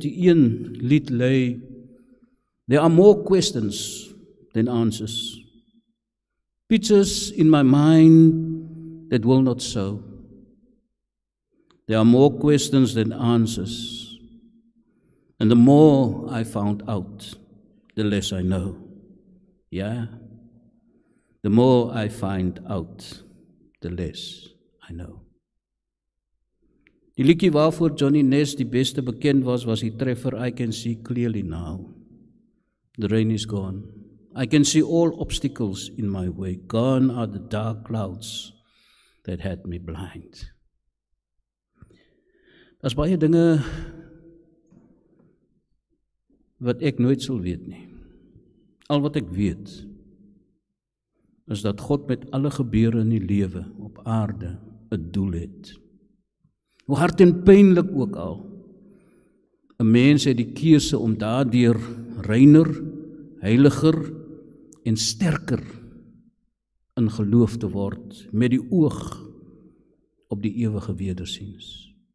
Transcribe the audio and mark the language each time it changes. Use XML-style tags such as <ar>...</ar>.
<af>Die een lied lui,</af> <en>There are more questions than answers. Pictures in my mind that will not show. There are more questions than answers. And the more I found out, the less I know. Yeah. The more I find out, the less I know.</en> <af>Die liedjie waarvoor Johnny Ness die beste bekend was, was die treffer</af> <en>I Can See Clearly Now. The rain is gone. I can see all obstacles in my way. Gone are the dark clouds that had me blind.</en> <af>Daar's baie dinge wat ek nooit sal weet nie. Al wat ek weet, is dat God met alle gebeure in die lewe op aarde 'n doel het. Hoe hard en pynlik ook al, 'n mens het die keuse om daardeur reiner, heiliger en sterker in geloof te word met die oog op die ewige wedersiens.</af>